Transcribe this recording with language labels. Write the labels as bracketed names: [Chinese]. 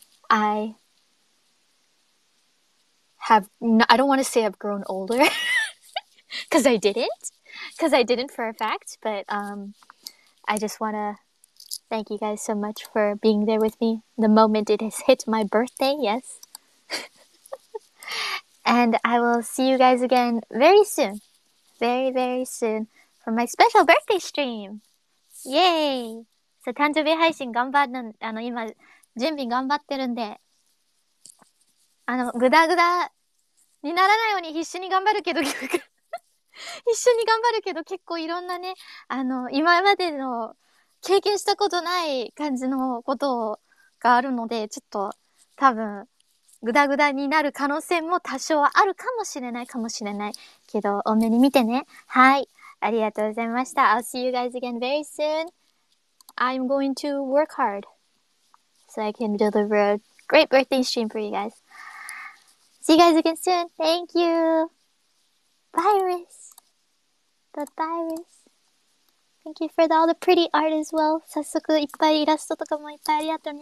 [English] I have, I don't want to say I've grown older, because I didn't, for a fact, but I just want to thank you guys so much for being there with me the moment it has hit my birthday, yes. And I will see you guys again very soon. Very, very soon for my special birthday stream. Yay! [Japanese] So, 誕生日配信頑張る、あの、今、準備頑張ってるんで、あの、グダグダにならないように必死に頑張るけど、一緒に頑張るけど、結構いろんなね、あの、今までの、経験したことない感じのことがあるので、ちょっと多分、グダグダになる可能性も多少はあるかもしれないかもしれないけど、お目に見てね。はい。ありがとうございました。 [English] I'll see you guys again very soon. I'm going to work hard so I can deliver a great birthday stream for you guys. See you guys again soon. Thank you. Virus. The virus. Thank you for all the pretty art as well. [Japanese] 早速いっぱいイラストとかもいっぱいありがとうね。